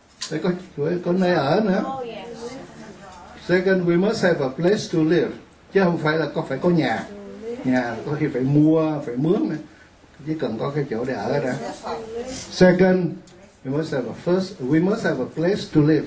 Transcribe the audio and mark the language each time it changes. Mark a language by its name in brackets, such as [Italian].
[Vietnamese] Đây có nơi ở nữa. [English] Second, we must have a place to live. [Vietnamese] Chứ không phải là có phải có nhà. Nhà có khi phải mua, phải mướn nữa. Chỉ cần có cái chỗ để ở đó. [English] Second, we must have a place to live.